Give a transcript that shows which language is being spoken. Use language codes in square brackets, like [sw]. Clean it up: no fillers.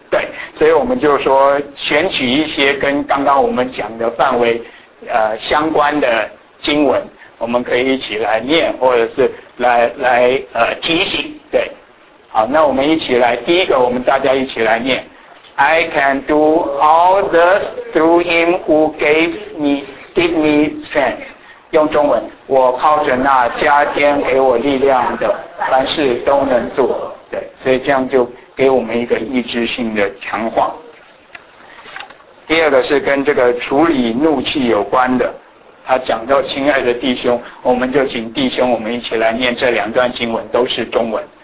[zh] 对，所以我们就说选取一些跟刚刚我们讲的范围相关的经文，我们可以一起来念或者是来提醒。对，好，那我们一起来，第一个我们大家一起来念。 [en] I can do all this through him who gave me strength. [zh] 用中文，我靠着那加添给我力量的，凡事都能做。对，所以这样就给我们一个意志性的强化。第二个是跟这个处理怒气有关的，他讲到亲爱的弟兄，我们就请弟兄我们一起来念这两段经文，都是中文。